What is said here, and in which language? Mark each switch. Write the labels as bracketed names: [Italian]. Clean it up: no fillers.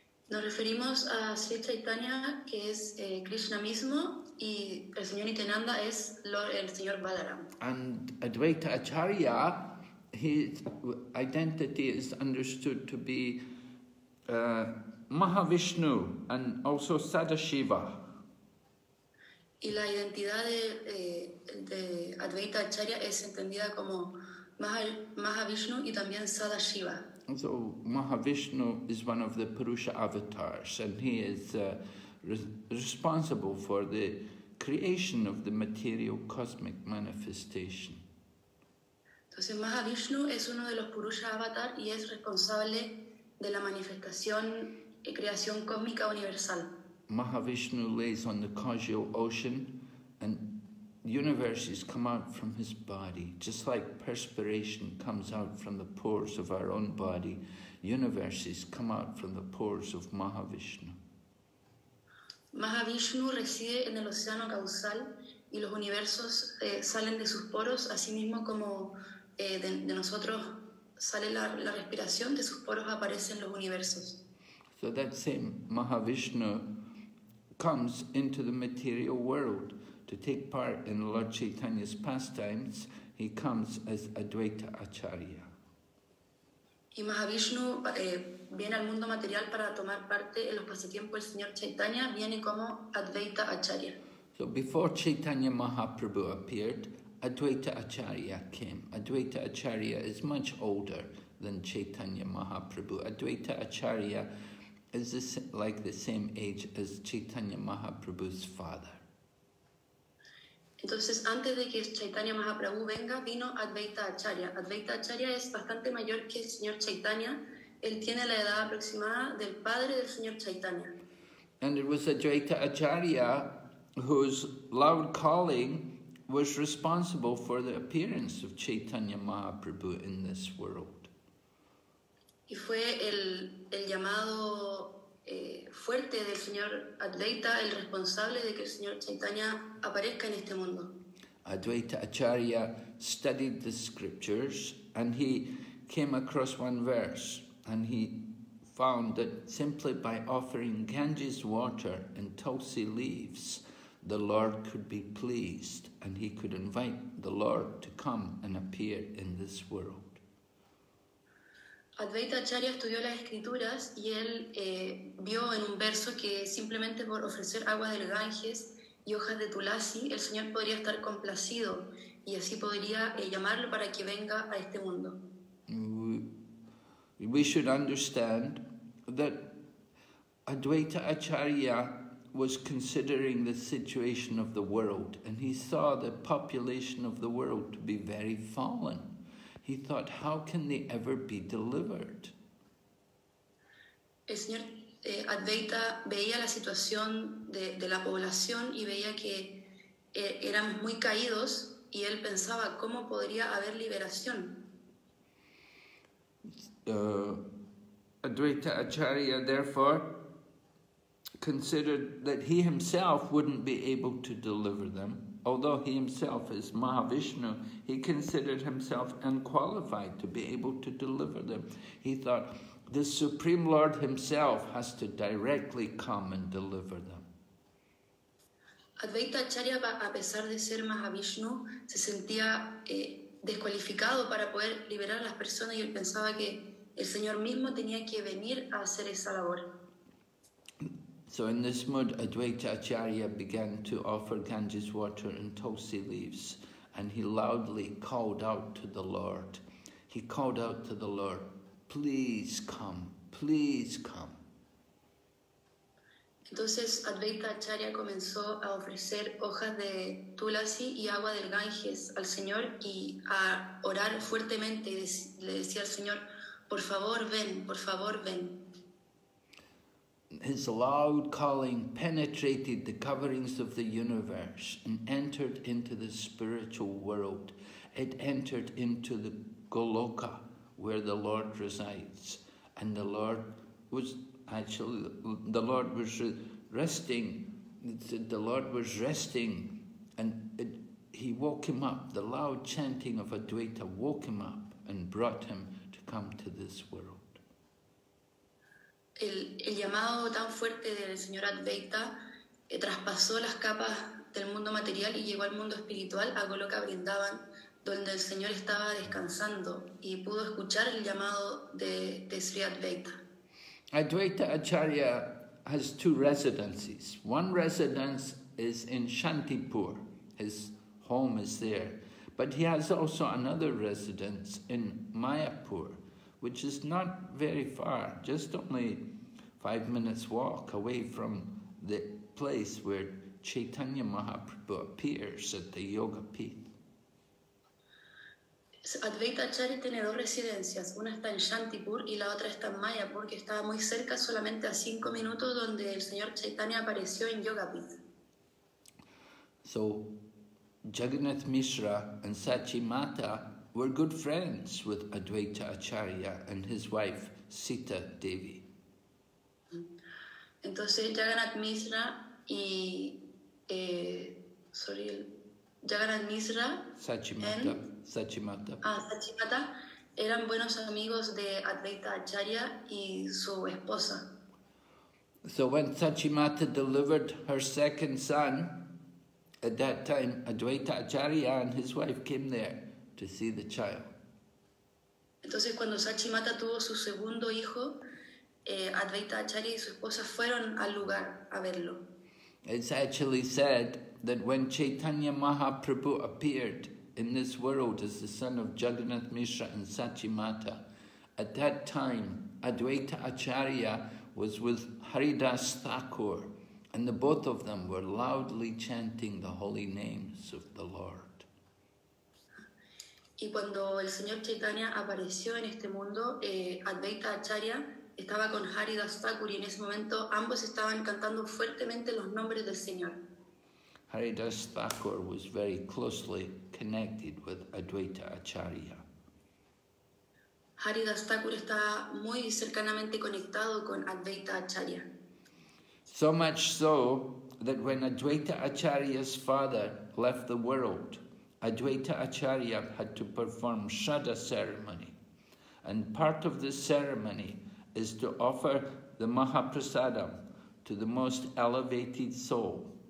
[Spanish] Nos referimos a Sri Chaitanya, que es Krishna mismo, y el señor Nityananda es el señor Balaram. [English] And Advaita Acharya, his identity is understood to be Mahavishnu and also Sadashiva. [Spanish] Y la identidad de Advaita Acharya es entendida como Mahavishnu y también Sadashiva. [English] So Mahavishnu is one of the Purusha avatars, and he is responsible for the creation of the material cosmic manifestation. [Spanish] Entonces Mahavishnu es uno de los Purusha avatar y es responsable de la manifestación y creación cósmica universal. [English] Mahavishnu lays on the causal ocean and universes come out from his body, just like perspiration comes out from the pores of our own body. Universes come out from the pores of Mahavishnu. [Spanish] Mahavishnu reside en el océano causal y los universos salen de sus poros, así mismo como de nosotros sale la respiración, de sus poros aparecen los universos. [English] So that same Mahavishnu comes into the material world to take part in Lord Chaitanya's pastimes. He comes as Advaita Acharya. [Spanish] Y Mahavishnu viene al mundo material para tomar parte en los pasatiempos del señor Chaitanya, viene como Advaita Acharya. [English] So before Chaitanya Mahaprabhu appeared, Advaita Acharya came. Advaita Acharya is much older than Chaitanya Mahaprabhu. Advaita Acharya is this like the same age as Chaitanya Mahaprabhu's father. [Spanish] Entonces, antes de que Chaitanya Mahaprabhu venga, vino Advaita Acharya. Advaita Acharya es bastante mayor que el señor Chaitanya. Él tiene la edad aproximada del padre del señor Chaitanya. [English] And it was Advaita Acharya whose loud calling was responsible for the appearance of Chaitanya Mahaprabhu in this world. [Spanish] Y fue el llamado fuerte del señor Advaita, el responsable de que el señor Chaitanya aparezca en este mundo. [English] Advaita Acharya studied the scriptures and he came across one verse and he found that simply by offering Ganges water and tulsi leaves, the Lord could be pleased and he could invite the Lord to come and appear in this world. [Spanish] Advaita Acharya estudió las escrituras y él vio en un verso que simplemente por ofrecer agua del Ganges y hojas de tulasi, el Señor podría estar complacido y así podría llamarlo para que venga a este mundo. [English] We should understand that Advaita Acharya was considering the situation of the world and he saw the population of the world to be very fallen. He thought, how can they ever be delivered? [Spanish] El señor Advaita veía la situación de la población y veía que éramos muy caídos y él pensaba, ¿cómo podría haber liberación? [English] Advaita Acharya, therefore, considered that he himself wouldn't be able to deliver them. Although he himself is Mahavishnu, he considered himself unqualified to be able to deliver them. He thought, the Supreme Lord himself has to directly come and deliver them. [Spanish] Advaita Acharya, a pesar de ser Mahavishnu, se sentía descualificado para poder liberar a las personas y él pensaba que el Señor mismo tenía que venir a hacer esa labor. [English] So in this mood, Advaita Acharya began to offer Ganges water and tulsi leaves, and he loudly called out to the Lord. He called out to the Lord, please come, please come. [Spanish] Entonces Advaita Acharya comenzó a ofrecer hojas de tulasi y agua del Ganges al Señor y a orar fuertemente y le decía al Señor, por favor ven, por favor ven. [English] His loud calling penetrated the coverings of the universe and entered into the spiritual world. It entered into the Goloka, where the Lord resides. And the Lord was actually, the Lord was resting and he woke him up. The loud chanting of Advaita woke him up and brought him to come to this world. [Spanish] El llamado tan fuerte del señor Advaita traspasó las capas del mundo material y llegó al mundo espiritual, a Goloka Vrindavan, donde el señor estaba descansando y pudo escuchar el llamado de Sri Advaita. [English] Advaita Acharya has two residences. One residence is in Shantipur. His home is there. But he has also another residence in Mayapur, which is not very far, just only 5 minutes walk away from the place where Chaitanya Mahaprabhu appears at the Yoga Peak. [Spanish] Advaita Acharya tiene dos residencias, una está en Shantipur y la otra está en Mayapur, que está muy cerca, solamente a 5 minutos, donde el señor Chaitanya apareció en Yoga Peak. [English] So, Jagannath Mishra and Sachi Mata were good friends with Advaita Acharya and his wife Sita Devi. [Spanish] Entonces Jagannath Mishra y Jagannath Mishra Sachimata eran buenos amigos de Advaita Acharya y su esposa. [English] So when Sachimata delivered her second son, at that time Advaita Acharya and his wife came there to see the child. [Spanish] Entonces, cuando Sachimata tuvo su segundo hijo, Advaita Acharya y su esposa fueron al lugar a verlo. [English] It's actually said that when Chaitanya Mahaprabhu appeared in this world as the son of Jagannath Mishra and Sachimata, at that time Advaita Acharya was with Haridas Thakur, and the both of them were loudly chanting the holy names of the Lord. [Spanish] Y cuando el señor Chaitanya apareció en este mundo, Advaita Acharya estaba con Haridas Thakur, y en ese momento ambos estaban cantando fuertemente los nombres del Señor. [English] Haridas Thakur was very closely connected with Advaita Acharya. [Spanish] Haridas Thakur estaba muy cercanamente conectado con Advaita Acharya. [English] So much so that when Advaita Acharya's father left the world, Advaita Acharya had to perform Shraddha ceremony. And part of this ceremony is to offer the Mahaprasadam to the most elevated soul.